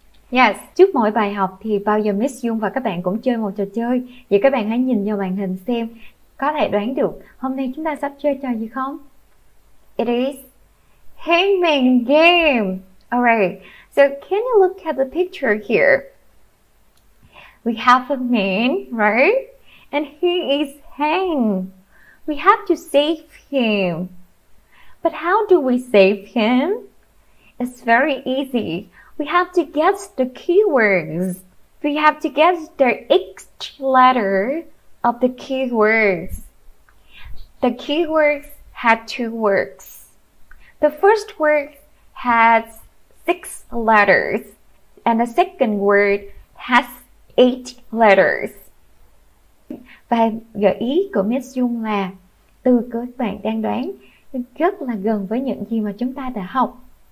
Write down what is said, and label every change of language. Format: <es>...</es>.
<vi>Yes, trước mỗi bài học thì bao giờ Miss Dung và các bạn cũng chơi một trò chơi. Vậy các bạn hãy nhìn vào màn hình xem có thể đoán được hôm nay chúng ta sắp chơi trò gì không?</vi> <en>It is hangman game. Alright, so can you look at the picture here? We have a man, right? And he is hanged. We have to save him. But how do we save him? It's very easy. We have to guess the keywords. We have to guess the each letter of the keywords. The keywords had two words. The first word had six letters, and the second word has eight letters.</en> <vi>Và gợi ý của Miss Dung là từ của các bạn đang đoán rất là gần với những gì mà chúng ta đã học.</vi>